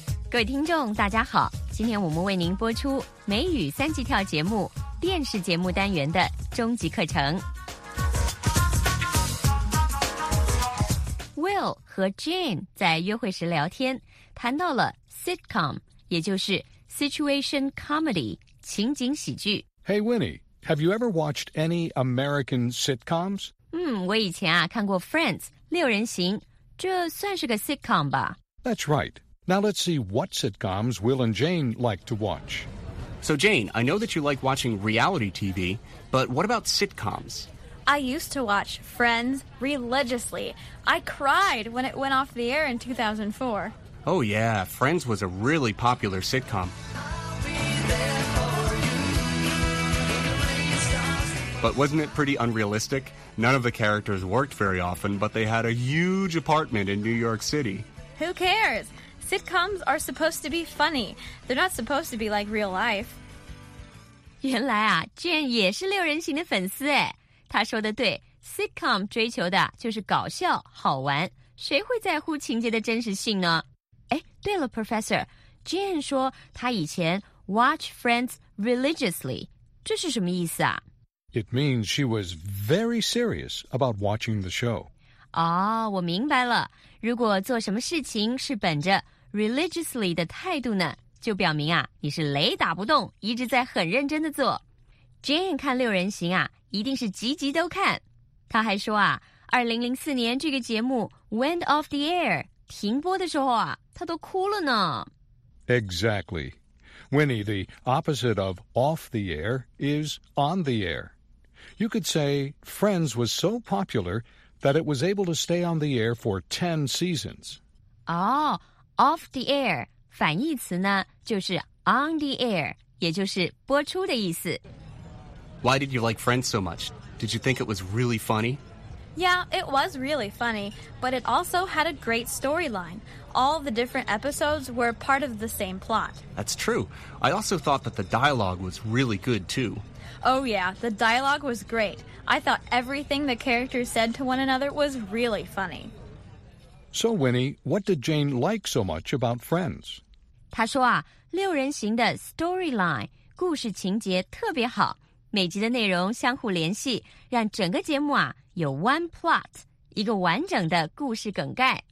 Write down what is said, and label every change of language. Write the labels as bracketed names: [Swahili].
[Chinese] 各位听众大家好，今天我们为您播出美语三级跳节目电视节目单元的终极课程。 Will 和 Jane 在约会时聊天，谈到了 sitcom， 也就是 situation comedy， 情景喜剧。 [English] Hey Winnie, have you ever watched any American sitcoms? [Chinese] 我以前啊看过 Friends， 六人行，这算是个 sitcom 吧？ [English] That's right. Now let's see what sitcoms Will and Jane like to watch. So Jane, I know that you like watching reality TV, but what about sitcoms? I used to watch Friends religiously. I cried when it went off the air in 2004. Oh yeah, Friends was a really popular sitcom. But wasn't it pretty unrealistic? None of the characters worked very often, but they had a huge apartment in New York City. Who cares? Sitcoms are supposed to be funny. They're not supposed to be like real life. [Chinese] 原来啊 ，Jane 也是六人行的粉丝哎。他说的对 ，sitcom 追求的就是搞笑好玩，谁会在乎情节的真实性呢？哎，对了 ，Professor Jane 说他以前 [English] watch Friends religiously， [Chinese] 这是什么意思啊 [English] ？It means she was very serious about watching the show. [Chinese] 哦，我明白了。如果做什么事情是本着 religiously 的态度呢，就表明啊你是雷打不动，一直在很认真的做。 Jane 看六人行啊。一定是集集都看。他还说啊 ,2004 年这个节目 [English] went off the air, [Chinese] 停播的时候啊他都哭了呢。 [English] Exactly. Winnie, the opposite of off the air is on the air. You could say Friends was so popular that it was able to stay on the air for 10 seasons. [Chinese] 哦、 [English] oh, off the air, [Chinese] 反义词呢就是 [English] on the air, [Chinese] 也就是播出的意思。 [English] Why did you like Friends so much? Did you think it was really funny? Yeah, it was really funny, but it also had a great storyline. All the different episodes were part of the same plot. That's true. I also thought that the dialogue was really good, too. Oh, yeah, the dialogue was great. I thought everything the characters said to one another was really funny. So, Winnie, what did Jane like so much about Friends? [Chinese] 她说啊，六人行的 storyline, 故事情节特别好。每集的内容相互联系，让整个节目啊有 [English] one plot， [Chinese] 一个完整的故事梗概。